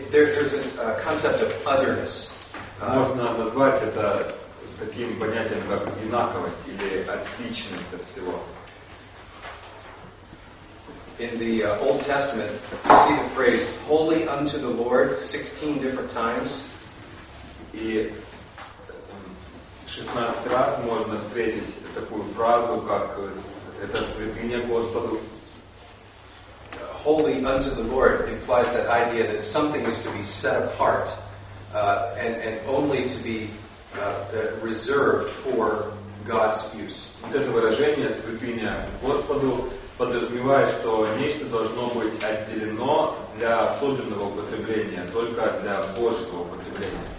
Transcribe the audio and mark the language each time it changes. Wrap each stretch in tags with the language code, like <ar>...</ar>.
<en>There's this concept of otherness.</en> <ru>Можно назвать это таким понятием, как инаковость или отличность от всего.</ru> <en>In the Old Testament, you see the phrase "holy unto the Lord" 16 different times.</en> <ru>И 16 раз можно встретить такую фразу, как "это святыня Господу".</ru> <en>Holy unto the Lord implies that idea that something is to be set apart and only to be reserved for God's use.</en> <ru>Вот это выражение «святыня Господу» подразумевает, что нечто должно быть отделено для особенного употребления, только для Божьего употребления.</ru>